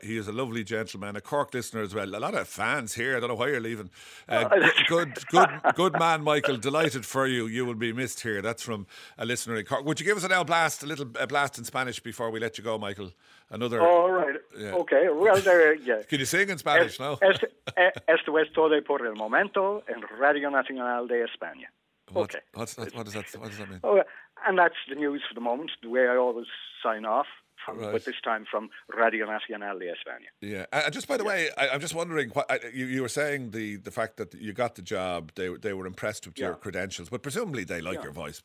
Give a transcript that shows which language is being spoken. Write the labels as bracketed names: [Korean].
[English] He is a lovely gentleman, a Cork listener as well. A lot of fans here. I don't know why you're leaving. Good man, Michael. Michael, delighted for you. You will be missed here. That's from a listener in Cork. Would you give us an El Blast, a little blast in Spanish before we let you go, Michael? Another. All right. Yeah. Okay. Well, there. Yeah. Can you sing in Spanish now? [Spanish] Esto es todo por el momento en Radio Nacional de España. [English] What does that mean? Oh, and that's the news for the moment, the way I always sign off. Right. But this time from Radio Nacional de España. Yeah. I'm just wondering, you were saying the fact that you got the job, they were impressed with your credentials, but presumably they like your voice.